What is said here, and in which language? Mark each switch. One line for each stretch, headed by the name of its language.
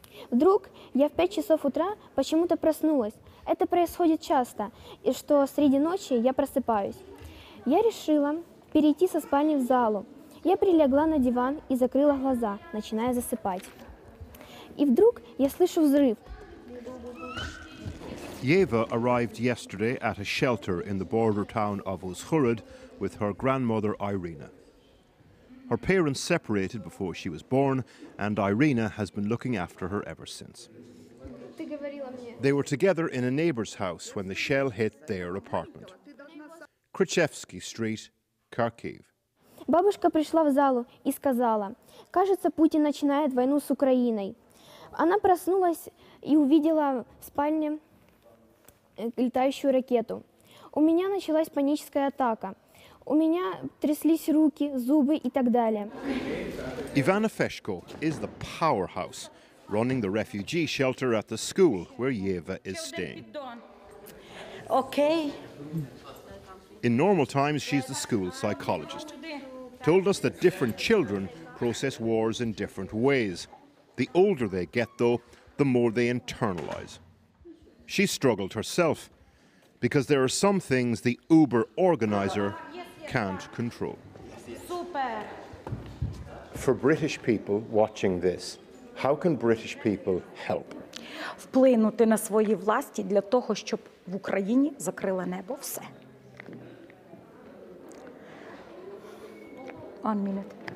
Russian: Вдруг я в 5 часов утра почему-то проснулась. Это происходит часто, и что среди ночи я просыпаюсь. Я решила перейти со спальни в залу. Я прилегла на диван и закрыла глаза, начиная засыпать. И вдруг я слышу взрыв.
English: Ева arrived yesterday at a shelter in the border town of Uzhhorod with her grandmother Irina. Her parents separated before she was born, and Irina has been looking after her ever since. They were together in a neighbor's house when the shell hit their apartment. Krichevsky Street, Kharkiv.
Russian: Бабушка пришла в залу и сказала: «Кажется, Путин начинает войну с Украиной». Она проснулась и увидела в спальне летающую ракету. У меня началась паническая атака. У меня тряслись руки, зубы и так далее.
English: Ivana Feshko is the powerhouse, running the refugee shelter at the school where Yeva is staying. Okay. In normal times, she's the school psychologist. Told us that different children process wars in different ways. The older they get, though, the more they internalize. She struggled herself, because there are some things the Uber organizer can't control. Super. For British people watching this, how can British people help?
Ukrainian: Вплинути на свої власті для того, щоб в Україні закрило небо все.
English: 1 minute.